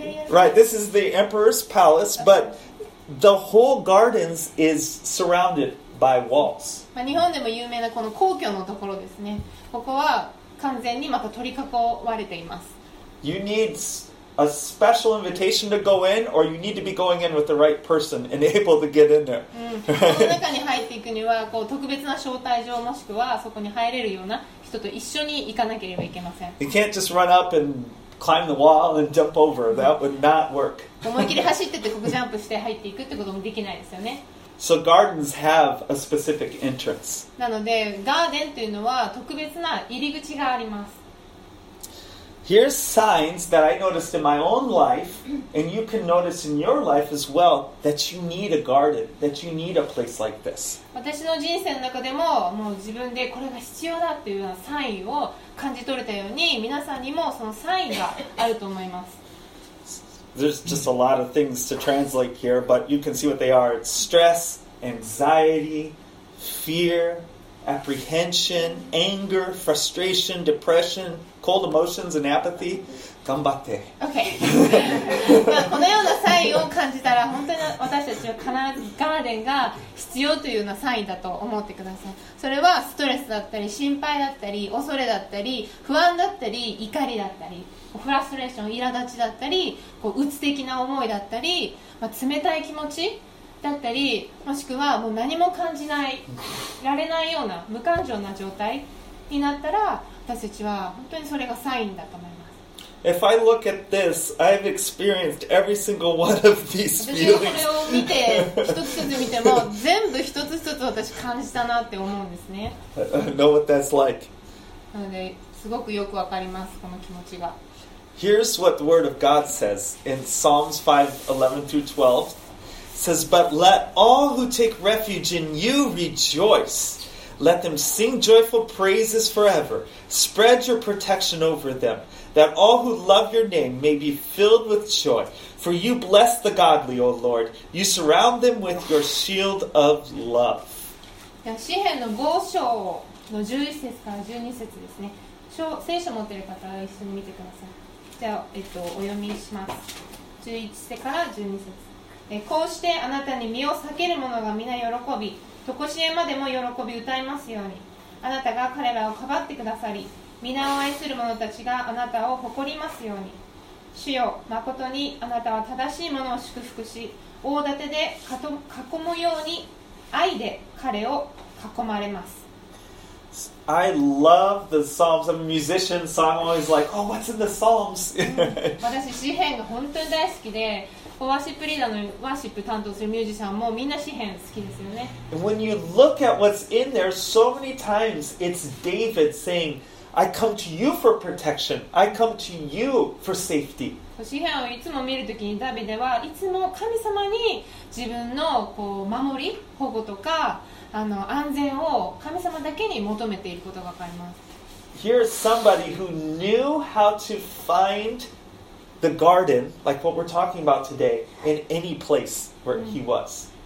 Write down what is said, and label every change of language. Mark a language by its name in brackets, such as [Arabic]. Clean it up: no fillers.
[English] Right, this is the emperor's palace, but the whole gardens is surrounded by walls. [Japanese] 日本でも有名なこの皇居のところですね。ここは完全にまた取り囲われています。 [English] You need a special invitation to go in, or you need to be going in with the right person and able to get in there. [Japanese] この中に入っていくにはこう特別な招待状もしくはそこに入れるような人と一緒に行かなければいけません。 [English] You can't just run up and climb the wall and jump over. That would not work. [Japanese] 思い切り走ってってここジャンプして入っていくってこともできないですよね。 [English] So gardens have a specific entrance. [Japanese] なのでガーデンというのは特別な入り口があります。 [English] Here's signs that I noticed in my own life, and you can notice in your life as well, that you need a garden, that you need a place like this. [Japanese] 私の人生の中でも、もう自分でこれが必要だというようなサインを感じ取れたように、皆さんにもそのサインがあると思います。 [English] There's just a lot of things to translate here, but you can see what they are. It's stress, anxiety, fear, apprehension, anger, frustration, depression, cold emotions, and apathy. [Japanese] 頑張って。 [English] Okay. [Japanese] まあこのようなサインを感じたら、本当に私たちは必ずガーデンが必要というようなサインだと思ってください。それはストレスだったり、心配だったり、恐れだったり、不安だったり、怒りだったり。フラストレーション、苛立ちだったり、こう鬱的な思いだったり、まあ、冷たい気持ちだったり、もしくはもう何も感じない、られないような無感情な状態になったら、私たちは本当にそれがサインだと思います。 [English] If I look at this, I've experienced every single one of these feelings. [Japanese] 私がこれを見て、一つ一つ見ても、全部一つ一つ私感じたなって思うんですね。 [English] I know what that's like. [Japanese] なので、すごくよくわかります、この気持ちが。 [English] Here's what the word of God says in Psalms 5:11-12. It says, But let all who take refuge in you rejoice. Let them sing joyful praises forever. Spread your protection over them, that all who love your name may be filled with joy. For you bless the godly, O Lord. You surround them with your shield of love. [Japanese] 詩編の5章の11節から12節ですね。聖書持っている方は一緒に見てください。じゃあ、お読みします。 11節から12節。こうしてあなたに身を避ける者が皆喜び、とこしえまでも喜び歌いますように。あなたが彼らをかばってくださり、皆を愛する者たちがあなたを誇りますように。主よ、まことにあなたは正しい者を祝福し、大盾で囲むように愛で彼を囲まれます。 [English] I love the Psalms. I'm a musician, so I'm always like, oh, what's in the Psalms? [Japanese] 私、詩編が本当に大好きで、ワーシップリーダーのワーシップ担当するミュージシャンもみんな詩編好きですよね。 [English] And when you look at what's in there, so many times it's David saying, I come to you for protection. I come to you for safety. [Japanese] 詩編をいつも見るときにダビデはいつも神様に自分のこう守り、保護とか、安全を神様だけに求めていることがわかります。 [English] Here's somebody who knew how to find the garden, like what we're talking about today, in any place where he was.